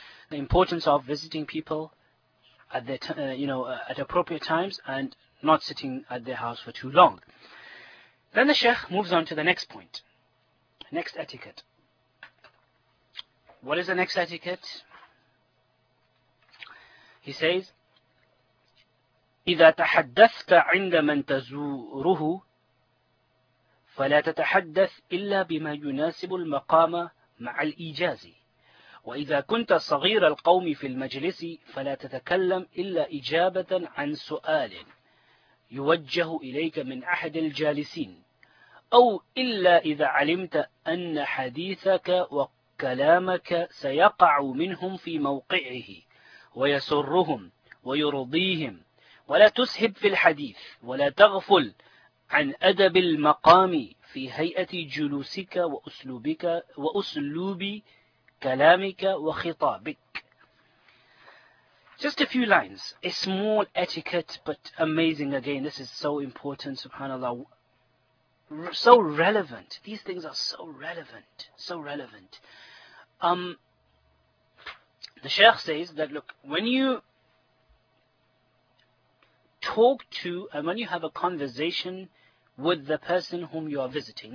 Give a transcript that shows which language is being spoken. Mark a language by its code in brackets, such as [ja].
[en] The importance of visiting people at their at appropriate times and not sitting at their house for too long. Then the Sheikh moves on to the next point, next etiquette. What is the next etiquette? He says, [ar] إِذَا تَحَدَّثْتَ عِنْدَ مَنْ تَزُورُهُ فَلَا تَتَحَدَّثْ إِلَّا بِمَا يُنَاسِبُ الْمَقَامَ مَعَ الْإِجَازِ وَإِذَا كُنْتَ صَغِيرَ الْقَوْمِ فِي الْمَجْلِسِ فَلَا تَتَكَلَّمْ إِلَّا إِجَابَةً عَنْ سُؤَالٍ يُوَجَّهُ إِلَيْكَ مِنْ أَحَدِ الْجَالِسِينَ أَوْ إِلَّا إِذَا عَلِمْتَ أَنَّ حَدِيثَكَ كلامك سيقع منهم في موقعه ويسرهم ويرضيهم ولا تسهب في الحديث ولا تغفل عن أدب المقام في هيئة جلوسك وأسلوبك وأسلوب كلامك وخطابك. [en] Just a few lines, a small etiquette but amazing. Again, this is so important, subhanAllah, so relevant. These things are so relevant, so relevant. The Sheikh says that, look, when you talk to and when you have a conversation with the person whom you are visiting.